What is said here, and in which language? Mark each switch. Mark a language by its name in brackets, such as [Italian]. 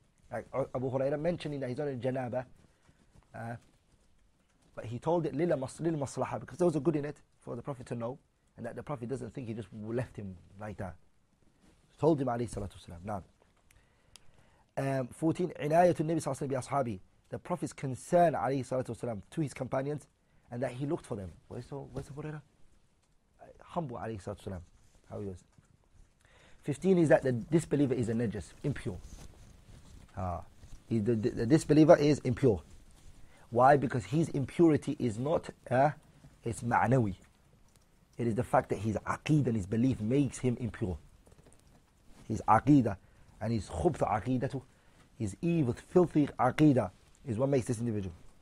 [English] Like Abu Huraira mentioning that he's on a janaba, but he told it lil maslaha, because there was a good in it for the Prophet to know, and that the Prophet doesn't think he just left him like that. He told him, alayhi salatu wasalam, now. [Arabic] 14, عناية النبي صلى الله عليه وسلم بأصحابه. [English] The Prophet's concern [Arabic] عليه الصلاة والسلام [English] to his companions, and that he looked for them. Where's Abu Huraira? [Arabic] Humble عليه الصلاة والسلام. [English] How he was. 15 is that the disbeliever is a najis, impure. The disbeliever is impure. Why? Because his impurity is not it's ma'nawi. It is the fact that his aqeedah and his belief makes him impure. His aqeedah and his khubth aqeedatu, his evil, filthy aqeedah, is what makes this individual.